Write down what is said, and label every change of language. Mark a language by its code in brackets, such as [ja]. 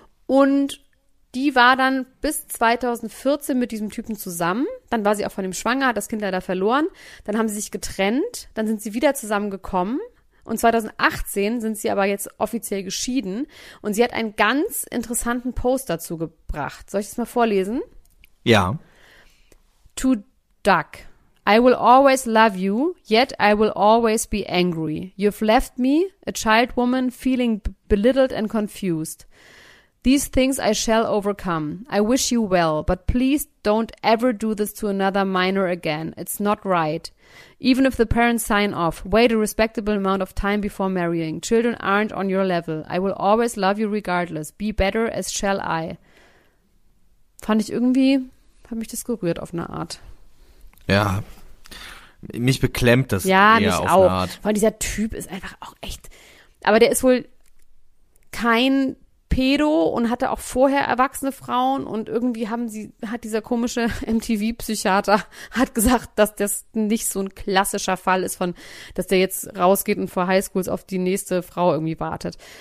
[de] Und die war dann bis 2014 mit diesem Typen zusammen, dann war sie auch von ihm schwanger, hat das Kind leider verloren, dann haben sie sich getrennt, dann sind sie wieder zusammengekommen und 2018 sind sie aber jetzt offiziell geschieden und sie hat einen ganz interessanten Post dazu gebracht. Soll ich das mal vorlesen? Ja. [en] To Doug. I will always love you, yet I will always be angry. You've left me, a child woman, feeling belittled and confused. These things I shall overcome. I wish you well, but please don't ever do this to another minor again. It's not right. Even if the parents sign off, wait a respectable amount of time before marrying. Children aren't on your level. I will always love you regardless. Be better, as shall I. [de] Fand ich irgendwie, hat mich das gerührt auf eine Art. Ja, mich beklemmt das ja, eher mich auf auch. Eine Art. Vor allem dieser Typ ist einfach auch echt, aber der ist wohl kein Pedo und hatte auch vorher erwachsene Frauen und irgendwie hat dieser komische MTV-Psychiater hat gesagt, dass das nicht so ein klassischer Fall ist, dass der jetzt rausgeht und vor Highschools auf die nächste Frau irgendwie wartet.